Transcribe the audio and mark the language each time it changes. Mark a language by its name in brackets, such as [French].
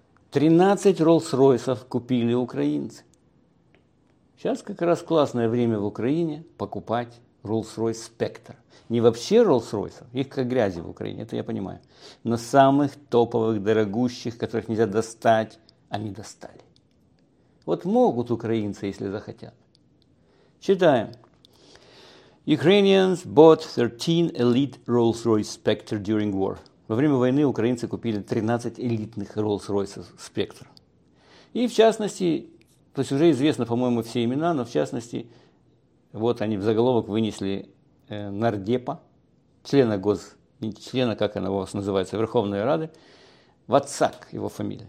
[Russian] 13 Rolls-Royce'ов купили украинцы. Сейчас как раз классное время в Украине покупать Rolls-Royce Spectre. Не вообще Rolls-Royce'ов, их как грязи в Украине, это я понимаю. Но самых топовых, дорогущих, которых нельзя достать, они достали. Вот могут украинцы, если захотят. Читаем. [English] Ukrainians bought 13 elite Rolls-Royce Spectre during war. [Russian] Во время войны украинцы купили 13 элитных Rolls-Royce Spectre. И в частности, то есть уже известно, по-моему, все имена, но в частности, вот они в заголовок вынесли нардепа, члена, как она у вас называется, Верховной Рады, Вацак его фамилия.